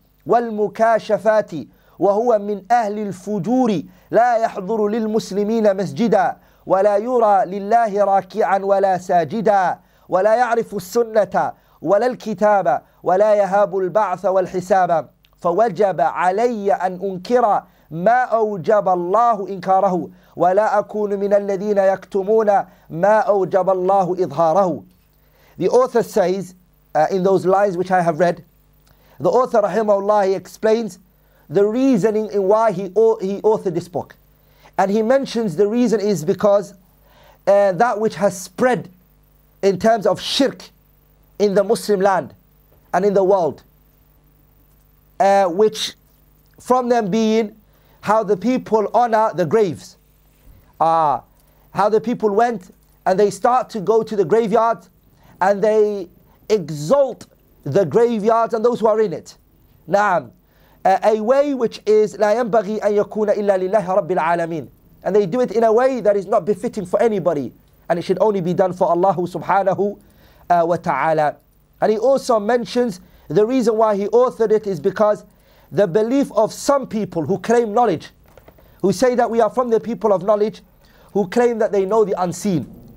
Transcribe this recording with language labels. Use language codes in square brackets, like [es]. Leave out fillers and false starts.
[ar] والمكاشفات، وهو من أهل الفجور لا يحضر للمسلمين مسجدا ولا يرى لله راكعا ولا ساجدا، ولا يعرف السنة ولا الكتاب ولا يهاب البعث والحساب، فوجب علي أن أنكر ما أوجب الله إنكاره ولا أكون من الذين يكتمون ما أوجب الله إظهاره. [en] The author says, in those lines which I have read, the author, rahimahullah, explains the reasoning in why he authored this book. And he mentions the reason is because that which has spread in terms of shirk in the Muslim land and in the world, which from them being how the people honor the graves, how the people went and they start to go to the graveyard and they exalt the graveyards and those who are in it. Na'am. A way which is [ar] لا ينبغي أن يكون إلا لله رب العالمين. [en] And they do it in a way that is not befitting for anybody, and it should only be done for Allah subhanahu wa ta'ala. And he also mentions the reason why he authored it is because the belief of some people who claim knowledge, who say that we are from the people of knowledge, who claim that they know the unseen.